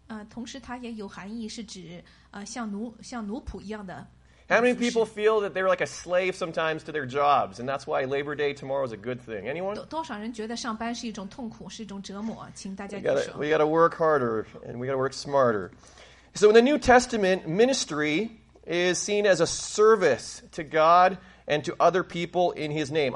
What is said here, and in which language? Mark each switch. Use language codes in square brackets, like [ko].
[zh] 同时它也有含义是指像奴仆一样的。 [en] How many people feel that they're like a slave sometimes to their jobs, and that's why Labor Day tomorrow is a good thing? Anyone? [zh] 多少人觉得上班是一种痛苦，是一种折磨？请大家举手。 [en] We got to work harder, and we got to work smarter. So in the New Testament, ministry is seen as a service to God and to other people in His name.